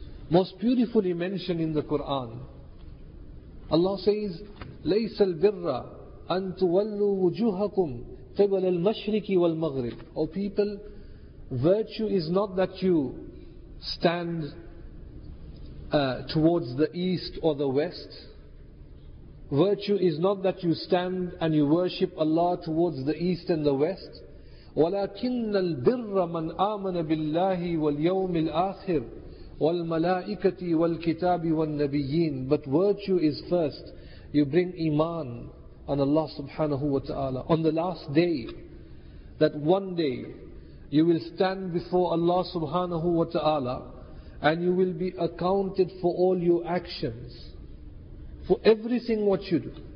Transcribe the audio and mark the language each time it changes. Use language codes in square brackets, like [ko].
[en] Most beautifully mentioned in the Quran, Allah says, [ar] لَيْسَ الْبِرَّ أَن تُوَلُّوا وُجُوهَكُمْ قِبَلَ الْمَشْرِكِ وَالْمَغْرِبِ. [en] O people, virtue is not that you stand towards the east or the west. Virtue is not that you stand and you worship Allah towards the east and the west. [ar] ولكن البر من آمن بالله واليوم الآخر والملائكة والكتاب والنبيين. [en] But virtue is first, you bring iman on Allah subhanahu wa ta'ala. On the last day, that one day, you will stand before Allah subhanahu wa ta'ala and you will be accounted for all your actions, for everything what you do.